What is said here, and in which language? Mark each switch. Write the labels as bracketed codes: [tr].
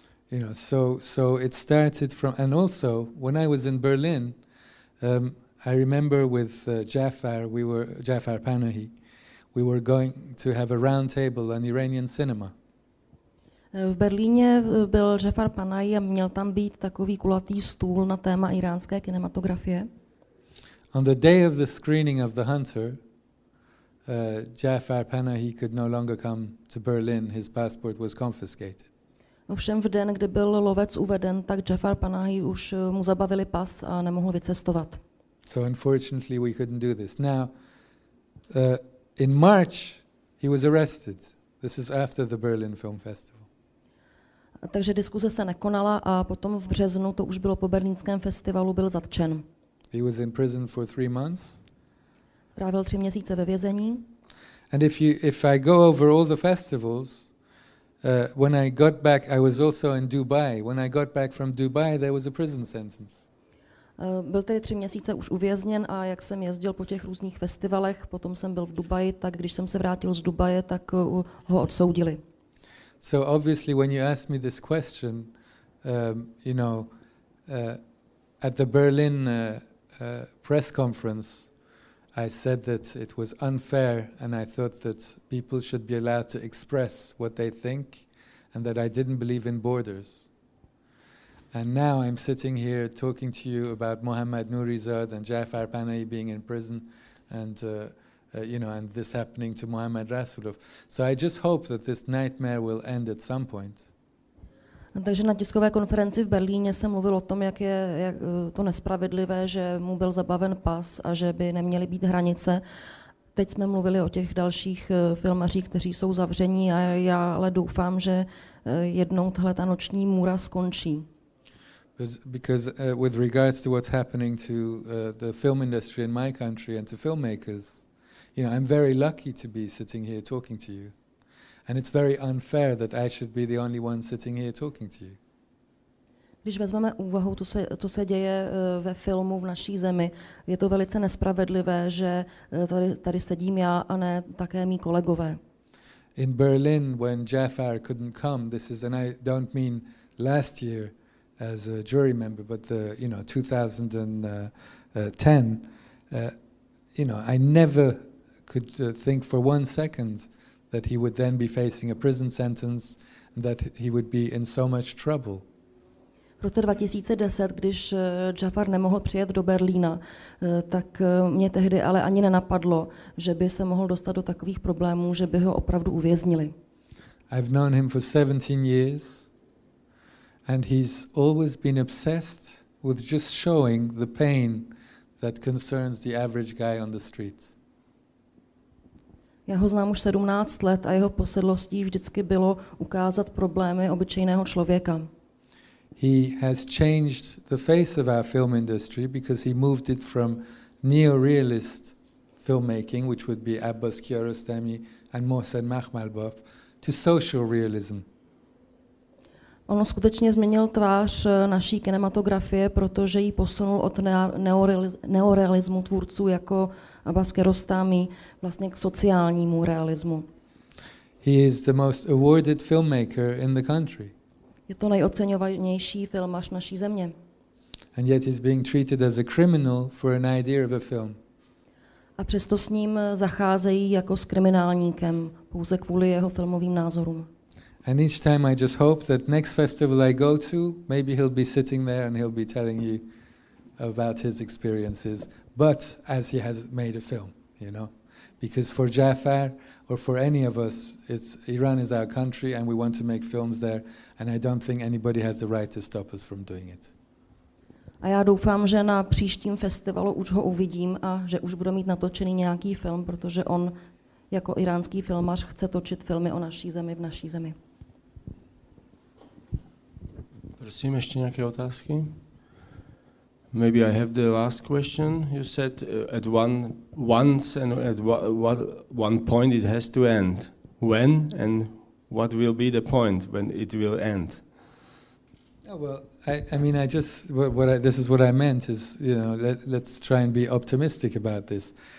[en] You know, so it started from, and also when I was in Berlin, I remember with Jafar Panahi, we were going to have a round table on Iranian cinema. [cs] V Berlíně byl Jafar Panahi a měl tam být takový kulatý stůl na téma iránské kinematografie. [en] On the day of the screening of The Hunter, Jafar Panahi could no longer come to Berlin. His passport was confiscated. [cs] Ovšem v den, kdy byl Lovec uveden, tak Jafar Panahi už mu zabavili pas a nemohl vycestovat. [en] So unfortunately we couldn't do this. Now, in March he was arrested. This is after the Berlin Film Festival. [cs] Takže diskuze se nekonala a potom v březnu, to už bylo po berlínském festivalu, byl zatčen. [en] He was in prison for 3 months. [cs] Strávil 3 měsíce ve vězení. [en] And if I go over all the festivals, when I got back, I was also in Dubai. When I got back from Dubai, there was a prison sentence. [cs] Byl tedy 3 měsíce už uvězněn a jak jsem jezdil po těch různých festivalech, potom jsem byl v Dubaji, tak když jsem se vrátil z Dubaje, tak ho odsoudili. [en] So obviously when you ask me this question, you know, at the Berlin press conference, I said that it was unfair and I thought that people should be allowed to express what they think and that I didn't believe in borders. And now I'm sitting here talking to you about Mohammad Nourizade and Jafar Panahi being in prison and you know, and this happening to Mohammad Rasulov. So I just hope that this nightmare will end at some point. [cs] Takže na tiskové konferenci v Berlíně jsem mluvil o tom, jak je to nespravedlivé, že mu byl zabaven pas a že by neměly být hranice. Teď jsme mluvili o těch dalších filmařích, kteří jsou zavření a já ale doufám, že jednou tahle ta noční můra skončí. [en] Because with regards to what's happening to the film industry in my country and to filmmakers, you know, I'm very lucky to be sitting here talking to you. And it's very unfair that I should be the only one sitting here talking to you. [cs] Když vezmeme úvahu, co se děje ve filmu v naší zemi, je to velice nespravedlivé, že tady sedím já a ne také mý kolegové. [en] In Berlin, when Jafar couldn't come, this is, and I don't mean last year, as a jury member, but the, you know, 2010, you know, I never could think for 1 second that he would then be facing a prison sentence, that he would be in so much trouble. [cs] V roce 2010, když Jafar nemohl přijet do Berlína, tak mě tehdy ale ani nenapadlo, že by se mohl dostat do takových problémů, že by ho opravdu uvěznili. [en] I've known him for 17 years. And he's always been obsessed with just showing the pain that concerns the average guy on the street. [cs] Já ho znám už 17 let a jeho posedlostí vždycky bylo ukázat problémy obyčejného člověka. [en] He has changed the face of our film industry because he moved it from neorealist filmmaking, which would be Abbas Kiarostami and Mohsen Makhmalbaf, to social realism. [cs] On skutečně změnil tvář naší kinematografie, protože ji posunul od neorealismu tvůrců jako Abbas Kiarostami vlastně k sociálnímu realismu. [en] He is the most awarded filmmaker in the country. [cs] Je to nejoceňovanější filmař naší země. [en] And yet he's being treated as a criminal for an idea of a film. [cs] A přesto s ním zacházejí jako s kriminálníkem pouze kvůli jeho filmovým názorům. [en] And each time I just hope that next festival I go to, maybe he'll be sitting there and he'll be telling you about his experiences, but as he has made a film, you know. Because for Jafar or for any of us, it's Iran is our country and we want to make films there, and I don't think anybody has the right to stop us from doing it. [cs] A já doufám, že na příštím festivalu už ho uvidím a že už budu mít natočený nějaký film, protože on jako iránský filmař chce točit filmy o naší zemi v naší zemi. Prosím, ještě nějaké otázky? [en] Maybe I have the last question. You said at once and at what one point it has to end. When and what will be the point when it will end? Oh, well, I meant is, you know, let's try and be optimistic about this.